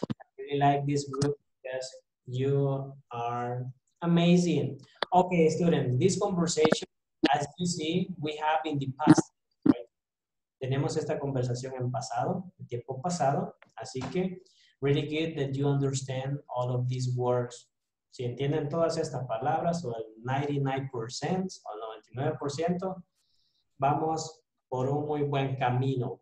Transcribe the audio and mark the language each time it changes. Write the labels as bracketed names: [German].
[English] I really like this group because you are amazing. Okay, student, this conversation, as you see, we have in the past, right? [Spanish] Tenemos esta conversación en pasado, en tiempo pasado. Así que, [English] really good that you understand all of these words. [Spanish] Si entienden todas estas palabras, o el 99% o el 99%, vamos por un muy buen camino.